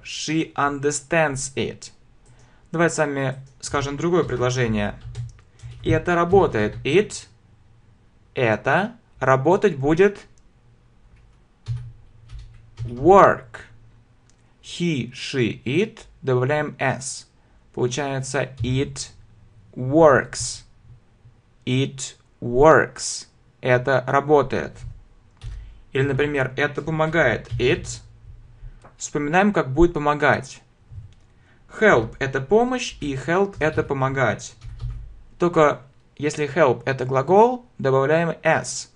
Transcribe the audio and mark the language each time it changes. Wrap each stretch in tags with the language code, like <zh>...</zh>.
<en>She understands it.</en> <ru>Давайте с вами скажем другое предложение. Это работает. It. Это. Работать будет work.</ru> <en>He, she, it.</en> <ru>Добавляем</ru> <en>s.</en> <ru>Получается</ru> <en>it works. It works.</en> <ru>Это работает. Или, например, это помогает.</ru> <en>It.</en> <ru>Вспоминаем, как будет помогать. Help – это помощь, и</ru> <en>help</en> <ru>– это помогать. Только Если help это глагол, добавляем s.</ru>